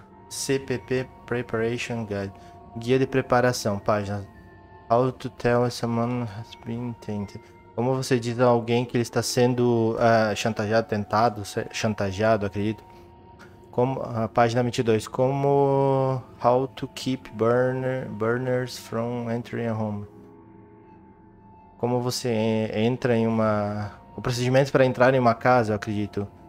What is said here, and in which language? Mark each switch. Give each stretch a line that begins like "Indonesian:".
English: HCPP Preparation Guide.
Portuguese: Guia de preparação, página.
English: How to tell someone has been tainted.
Portuguese: Como você diz a alguém que ele está sendo chantageado, tentado, chantageado, acredito. Como, página 22. Como...
English: How to keep burners from entering a home.
Portuguese: Como você entra em uma... O procedimento para entrar em uma casa, eu acredito.